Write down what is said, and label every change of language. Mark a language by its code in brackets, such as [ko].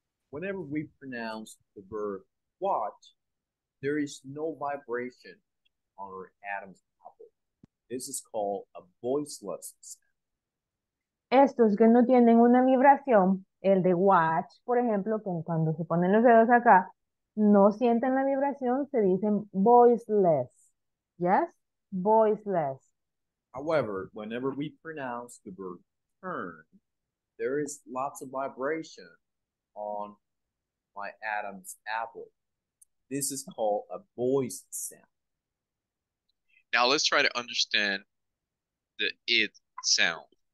[en] Whenever we pronounce the verb watch, there is no vibration on our Adam's apple. This is called a voiceless sound. [es] Estos que no tienen una vibración, el de watch, por ejemplo, que cuando se ponen los dedos acá, no sienten la vibración, se dicen voiceless. [en] Yes? Voiceless. However, whenever we pronounce the verb turn, there is lots of vibration on my Adam's apple. This is called a voice sound. Now let's try to understand the id sound.